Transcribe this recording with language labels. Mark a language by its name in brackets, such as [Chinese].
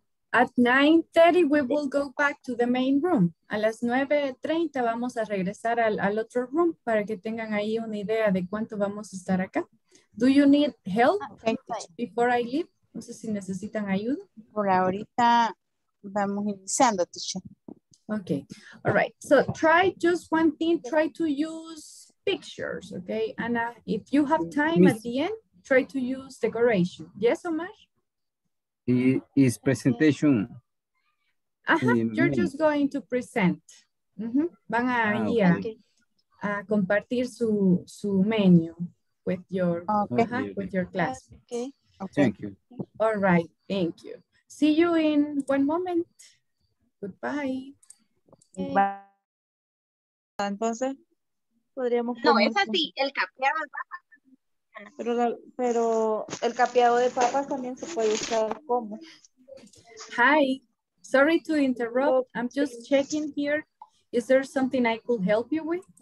[English] At 9:30 we will go back to the main room. [Spanish] A las 9:30 vamos a regresar al otro room para que tengan ahí una idea de cuánto vamos a estar acá. [English] Do you need help before I leave? [Spanish] No sé si necesitan ayuda. Por ahorita vamos iniciando, teacher. [English] Okay. All right. So try just one thing. Try to use pictures, okay? Ana, if you have time at the end, try to use decoration. Yes, Omar? Is presentation. Uh-huh. You're just going to present. Mm-hmm. [Spanish] Van a compartir su menu [English] with your with your class. Okay. Thank you. All right. Thank you. See you in one moment. Goodbye. Okay. [Spanish] Entonces, podríamos. No, conversar. Es así. El capeado de papas. Pero el capeado de papas también se puede usar como. [English] Hi, sorry to interrupt. I'm just checking here. Is there something I could help you with?